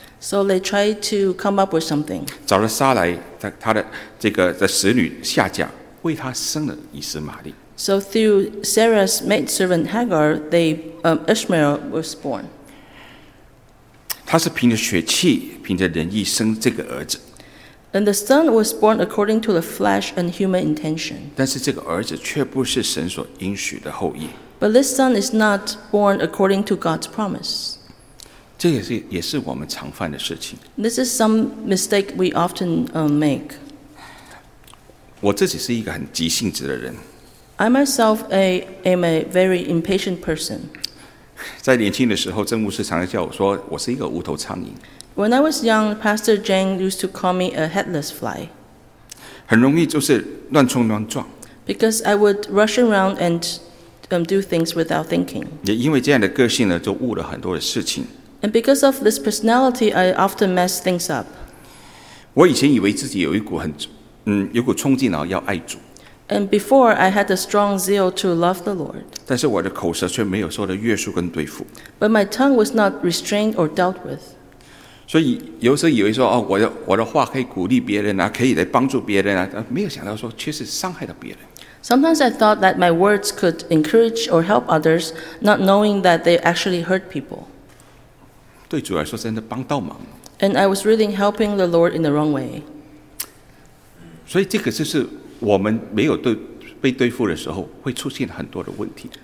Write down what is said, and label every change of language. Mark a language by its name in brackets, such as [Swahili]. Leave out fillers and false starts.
[English] So they tried to come up with something. [Chinese] 找了撒来，他的这个的使女夏甲为他生了以实玛利。 [English] So through Sarah's maidservant Hagar, Ishmael was born. [Chinese] 他是凭着血气，凭着仁义生这个儿子。 [English] And the son was born according to the flesh and human intention. [Chinese] 但是这个儿子却不是神所应许的后裔。 [English] But this son is not born according to God's promise. [Chinese] 这也是我们常犯的事情。 [English] This is some mistake we often make. [Chinese] 我自己是一个很急性子的人。 [English] I myself am a very impatient person. [Chinese] 在年轻的时候，郑牧师常常叫我说，我是一个无头苍蝇。 [English] When I was young, Pastor Jang used to call me a headless fly. [Chinese] 很容易就是乱冲乱撞。 [English] Because I would rush around and do things without thinking. [Chinese] 也因为这样的个性呢，就误了很多的事情。 [English] And because of this personality, I often mess things up. [Chinese] 我以前以为自己有一股有股冲劲，然后要爱主。 [English] And before, I had a strong zeal to love the Lord. [Chinese] 但是我的口舌却没有受到约束跟对付。 [English] But my tongue was not restrained or dealt with. [Chinese] 所以有时候以为说，哦，我的话可以鼓励别人啊，可以来帮助别人啊，没有想到说却是伤害了别人。 [English] Sometimes I thought that my words could encourage or help others, not knowing that they actually hurt people. [Chinese] 对主来说真的帮倒忙。 [English] And I was really helping the Lord in the wrong way. [Chinese] 所以这个就是我们没有被对付的时候会出现很多的问题。